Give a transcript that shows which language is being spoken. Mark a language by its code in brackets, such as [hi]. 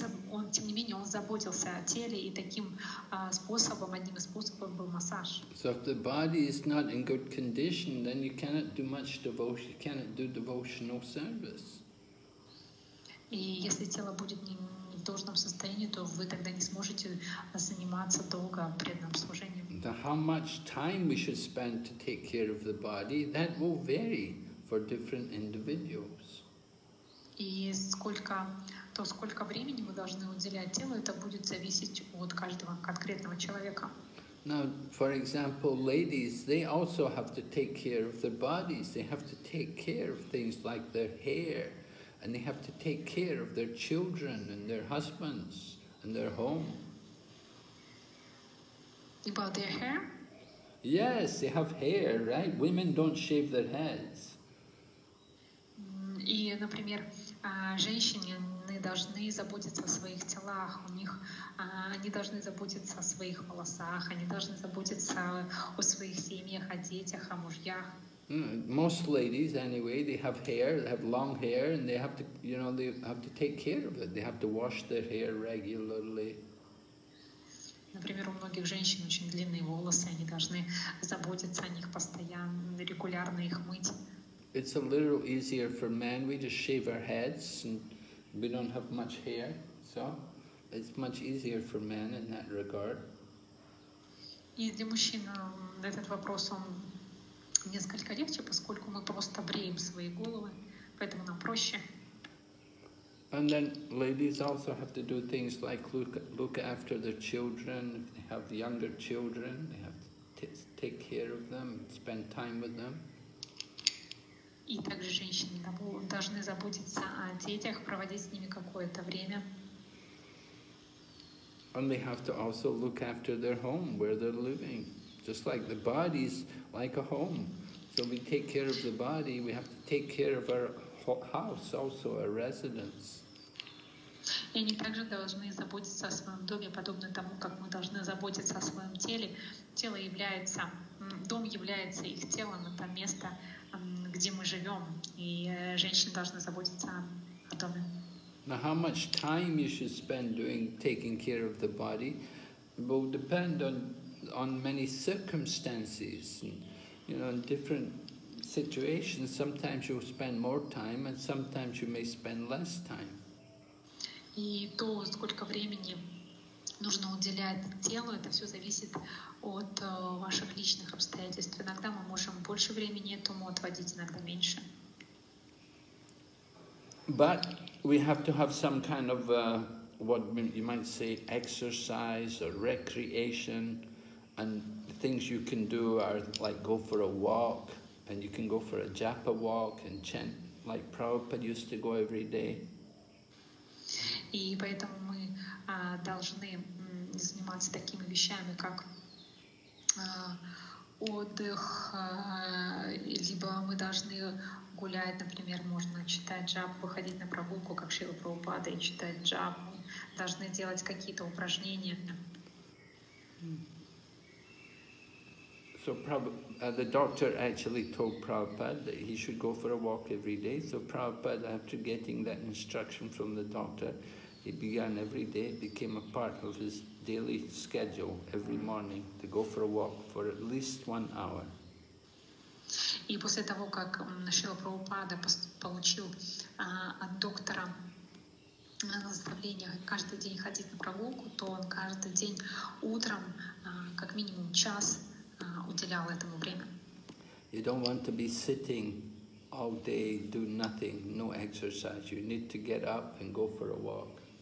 [ru] Он, тем не менее, он заботился о теле, и таким способом, одним из способов был массаж. [en] So if the body is not in good condition, then you cannot do much devotion, you cannot do devotional service. [ru] И если тело будет не в должном состоянии, то вы тогда не сможете заниматься долго преданным служением. [en] The how much time we should spend to take care of the body, that will vary for different individuals. И сколько времени мы должны уделять телу, это будет зависеть от каждого конкретного человека. Now, for example, ladies, they also have to take care of their bodies. They have to take care of things like their hair, and they have to take care of their children and their husbands and their home. About their hair? Yes, they have hair, right? Women don't shave their heads. [ru] И, например, женщины не должны заботиться о своих телах, у них они должны заботиться о своих волосах, они должны заботиться о своих семьях, о детях, о мужьях. [en] Most ladies, anyway, they have hair, they have long hair, and they have to, you know, they have to take care of it. They have to wash their hair regularly. [ru] Например, у многих женщин очень длинные волосы, они должны заботиться о них постоянно, регулярно их мыть. [en] It's a little easier for men. We just shave our heads and we don't have much hair, so it's much easier for men in that regard. [ru] И для мужчин этот вопрос он несколько легче, поскольку мы просто бреем свои головы, поэтому нам проще. [en] And then ladies also have to do things like look after their children. If they have younger children, they have to take care of them, spend time with them. [ru] И также женщины должны заботиться о детях, проводить с ними какое-то время. [en] And they have to also look after their home, where they're living. Just like the body is like a home. So we take care of the body, we have to take care of our house also, our residence. [ru] И они также должны заботиться о своем доме, подобно тому, как мы должны заботиться о своем теле. Тело является, дом является их телом, это место, где мы живем, и женщины должны заботиться о доме. [en] Now, how much time you should spend doing taking care of the body will depend on many circumstances, and, you know, in different situations. Sometimes you spend more time, and sometimes you may spend less time. [ru] И то, сколько времени нужно уделять телу, это все зависит от ваших личных обстоятельств. Иногда мы можем больше времени этому отводить, иногда меньше. [en] But we have to have some kind of what you might say exercise or recreation, and things you can do are like go for a walk, and you can go for a japa walk and chant like Prabhupada used to go every day. [ru] И поэтому мы должны заниматься такими вещами, как отдых, либо мы должны гулять, например, можно читать джапу, выходить на прогулку, как Шрила Прабхупада, и читать джапу, должны делать какие-то упражнения. [en] So the doctor actually told Prabhupada that he should go for a walk every day. So Prabhupada, after getting that instruction from the doctor, he began every day, it became a part of his daily schedule every morning to go for a walk for at least 1 hour. [ru] И после того, как Шрила Прабхупада получил от доктора наставление каждый день ходить на прогулку, то он каждый день утром как минимум час уделял этому время. [en] You don't want to be sitting all day, do nothing, no exercise. You need to get up and go for a walk.